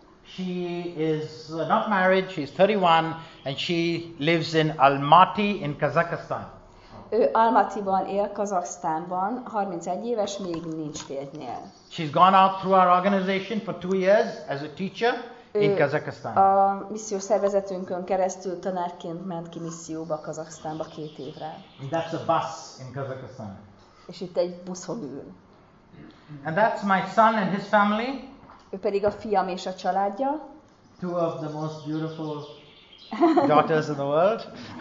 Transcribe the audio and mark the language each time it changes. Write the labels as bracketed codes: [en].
[en] She is not married, she's 31, and she lives in Almaty in Kazakhstan. [hu] Ő Almatiban él, Kazakhstánban, 31 éves, még nincs férjnél. [en] She's gone out through our organization for 2 years as a teacher in Kazakhstan. [hu] A missziós szervezetünkön keresztül tanárként ment ki misszióba Kazakhstánba 2 évre. [en] And that's a bus in Kazakhstan. [hu] És itt egy buszon ül. [en] And that's my son and his family. [hu] Ő pedig a fiam és a családja. [en] Two of the most beautiful daughters in the world.